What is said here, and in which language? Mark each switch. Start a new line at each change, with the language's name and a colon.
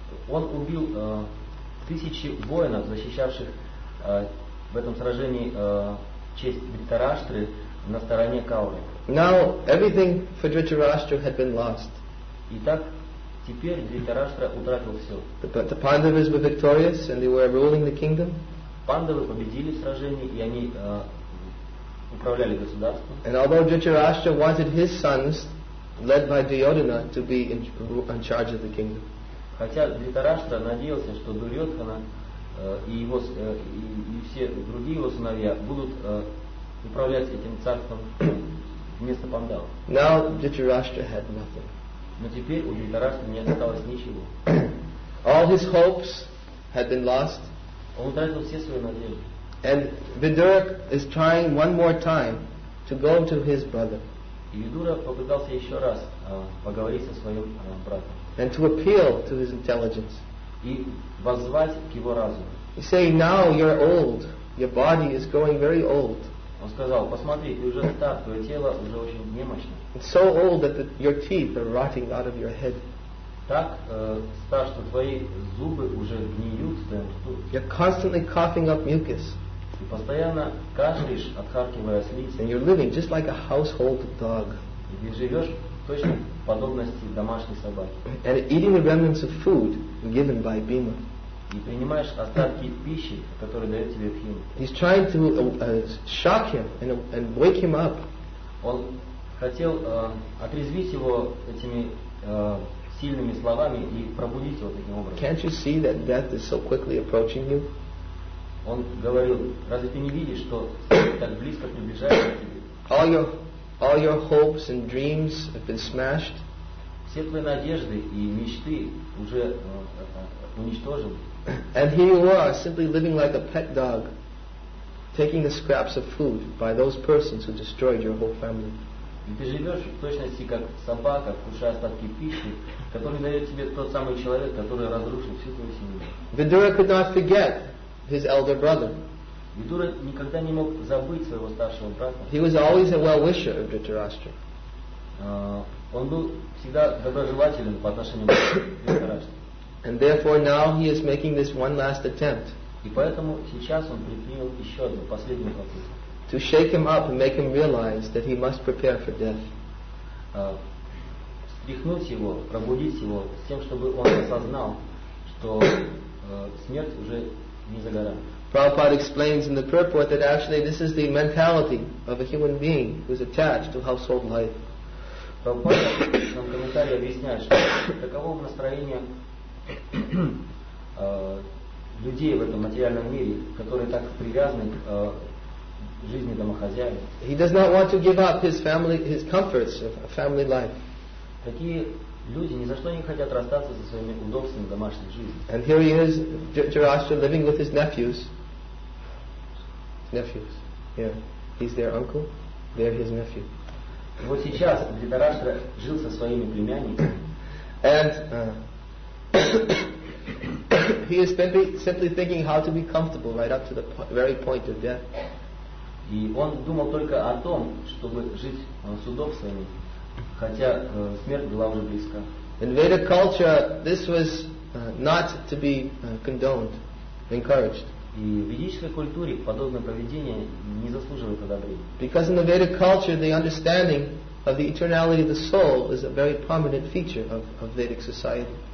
Russian: Он убил тысячи воинов, защищавших в этом сражении честь Дхритараштры на стороне Кауры.
English: Now everything for Dhritarashtra had been lost.
Russian: Итак, теперь Дхритараштра утратил все.
English: The Pandavas were victorious and they were ruling the kingdom.
Russian: Пандавы победили в сражении, и они управляли государством.
English: And although Dhritarashtra wanted his sons, led by Duryodhana, to be in charge of the kingdom.
Russian: Хотя Дхритараштра надеялся, что Дурьотхана и все другие его сыновья будут управлять этим царством вместо Пандавы.
English: Now Dhritarashtra had nothing.
Russian: Но теперь у Дхритараштры не осталось ничего.
English: All his hopes had been lost.
Russian: Он утратил все свои надежды.
English: And Vidura is trying one more time to go to his brother.
Russian: И Vidura попытался еще раз поговорить со своим братом.
English: And to appeal to his intelligence.
Russian: И воззвать к его разуму.
English: He say, now you're old. Your body is growing very old.
Russian: Он сказал, посмотри, ты уже стар, твое тело уже очень немощно.
English: It's so old that your teeth are rotting out of your head.
Russian: Так стар, что твои зубы уже гниют в твоем рту.
English: You're constantly coughing up mucus.
Russian: Ты постоянно кашляешь, отхаркивая слизь.
English: And you're living just like a household dog.
Russian: И ты живешь точно в подобности домашней собаки.
English: And eating the remnants of food given by Bhima.
Russian: И принимаешь остатки пищи, которые дает тебе Бхима.
English: He's trying to shock him and wake him up.
Russian: Он хотел отрезвить его этими сильными словами и пробудить его таким образом.
English: Can't you see that death is so quickly approaching you?
Russian: Он говорил, разве ты не видишь, что смерть так близко приближается к тебе?
English: All your hopes and dreams have been smashed.
Russian: Все твои надежды и мечты уже уничтожены.
English: And here you are, simply living like a pet dog, taking the scraps of food by those persons who destroyed your whole family.
Russian: И ты живешь в точности как собака, кушая остатки пищи, которую дает тебе тот самый человек, который разрушил всю твою семью.
English: Vidura could not forget his elder brother.
Russian: Vidura никогда не мог забыть своего старшего брата.
English: He was always a well-wisher of Dhritarashtra.
Russian: Он был всегда доброжелателен по отношению к Dhritarashtra.
English: And therefore now he is making this one last attempt.
Russian: И поэтому сейчас он предпринял еще одну, последнюю попытку.
English: To shake him up and make him realize that he must prepare for death.
Russian: Встряхнуть его, пробудить его, с тем, чтобы он осознал, что смерть уже не за горами.
English: Prabhupada explains in the purport that actually this is the mentality of a human being who is attached to household life.
Russian: Prabhupada в своем комментарии объясняет, что таково настроение людей в этом материальном мире, которые так привязаны к жизни домохозяев.
English: He does not want to give up his family, his comforts of family life.
Russian: Такие люди ни за что не хотят расстаться со своими удобствами домашней жизни.
English: And here he is, Dhritarashtra, living with his nephews. Nephews. Yeah. He's their uncle. They're his nephew.
Russian: Вот сейчас Дхритараштра жил со своими племянниками.
English: And he is simply thinking how to be comfortable right up to the very point of death.
Russian: И он думал только о том, чтобы жить с удобствами, хотя смерть была уже близка.
English: In Vedic culture, this was not to be condoned, encouraged.
Russian: И в ведической культуре подобное поведение не заслуживает одобрения.
English: Because in the Vedic culture, the understanding of the eternality of the soul is a very prominent feature of Vedic society.